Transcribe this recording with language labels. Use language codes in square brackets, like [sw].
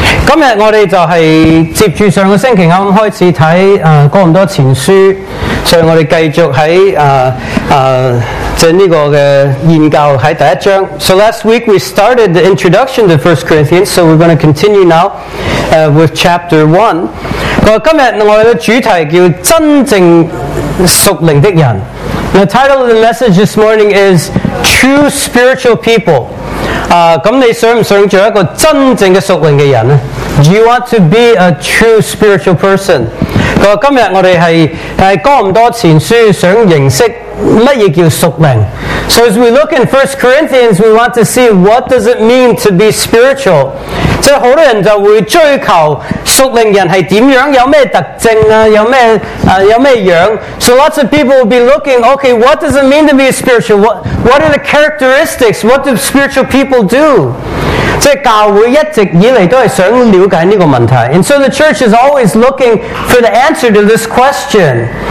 [yue] 今日我哋就系接住上个星期啱开始睇哥林多前书，所以我哋继续喺即系呢个嘅研究喺第一章。 [en] So last week we started the introduction to 1 Corinthians, so we're going to continue now with chapter 1. [yue] 今日我哋嘅主题叫真正属灵的人。 [en] The title of the message this morning is True Spiritual People. [yue] 咁你想唔想做一个真正嘅属灵嘅人呢？ [en] Do you want to be a true spiritual person? [yue] 今日我哋系哥林多前书想认识乜嘢叫属灵。 [en] So as we look in 1 Corinthians, we want to see what does it mean to be spiritual. [yue] 即系好多人就会追求属灵人系点样，有咩特征啊，有咩样。 [en] So lots of people will be looking, okay, what does it mean to be spiritual? What are the characteristics? What do spiritual people do? [yue] 即系教会一直以嚟都系想了解呢个问题。 [en] And so the church is always looking for the answer to this question.